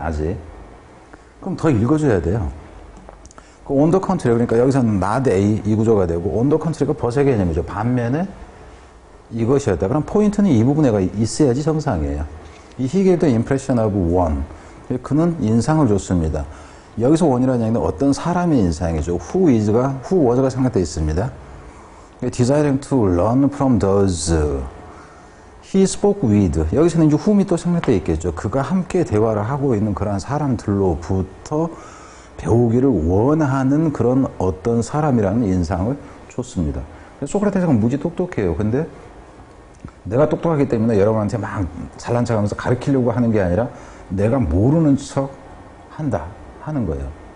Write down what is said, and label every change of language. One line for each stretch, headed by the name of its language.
Korean: 아직. 그럼 더 읽어줘야 돼요. 그 on the contrary, 그러니까 여기서는 나대의 이 구조가 되고 on the contrary가 벗의 개념이죠. 반면에 이것이었다. 그럼 포인트는 이 부분에 있어야지 정상이에요.
English: He gave the impression of one.
Korean: 그는 인상을 줬습니다. 여기서 원이라는 얘기는 어떤 사람의 인상이죠. Who is가, who was가 생각되어 있습니다.
English: Desiring to learn from those he spoke with.
Korean: 여기서는 이제 whom이 또 생각되어 있겠죠. 그가 함께 대화를 하고 있는 그런 사람들로부터 배우기를 원하는 그런 어떤 사람이라는 인상을 줬습니다. 소크라테스가 무지 똑똑해요. 근데 내가 똑똑하기 때문에 여러분한테 막 잘난 척 하면서 가르치려고 하는 게 아니라 내가 모르는 척 한다. 하는 거예요.